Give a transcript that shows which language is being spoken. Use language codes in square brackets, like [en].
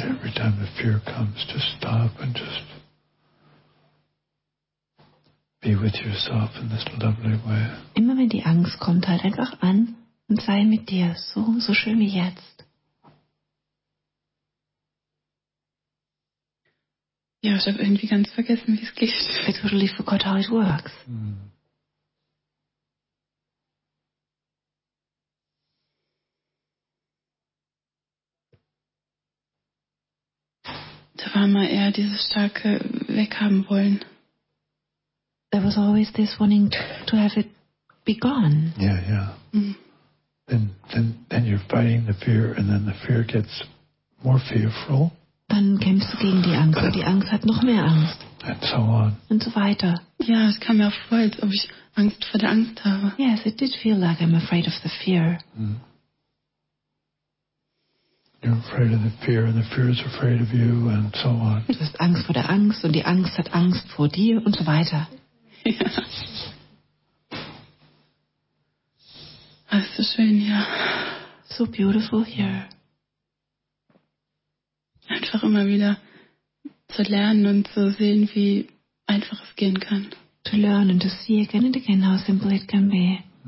[en] Every time the fear comes, just stop and just be with yourself in this lovely way. [de] Immer wenn die Angst kommt, halt einfach an und sei mit dir, so, so schön wie jetzt. Ja, ich habe irgendwie ganz vergessen, wie es geht. [en] I totally forgot how it works. [de] Da war mal eher dieses starke Weghaben wollen. [en] There was always this wanting to have it be gone. Yeah, yeah. Then you're fighting the fear and then the fear gets more fearful. [de] Dann kämpfst du gegen die Angst und die Angst hat noch mehr Angst. [en] And so on. [de] Und so weiter. Ja, es kam mir auch vor, als ob ich Angst vor der Angst habe. [en] Yes, it did feel like I'm afraid of the fear. You're afraid of the fear and the fear is afraid of you and so on. [de] Du hast Angst vor der Angst und die Angst hat Angst vor dir und so weiter. Ja. Ist so schön hier. [en] So beautiful here. [de] Einfach immer wieder zu lernen und zu sehen, wie einfach es gehen kann. [en] To learn and to see again and again how simple it can be.